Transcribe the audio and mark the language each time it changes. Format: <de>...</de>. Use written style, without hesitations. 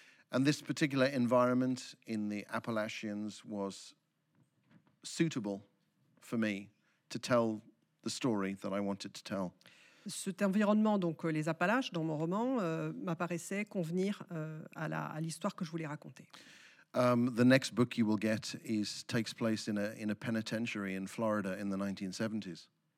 <en>And this particular environment in the Appalachians was suitable for me to tell the story that I wanted to tell.</en> <fr>Cet environnement, donc les Appalaches, dans mon roman, m'apparaissait convenir à l'histoire que je voulais raconter.</fr> <en>The next book you will get takes place in a penitentiary in Florida in the 1970s.</en>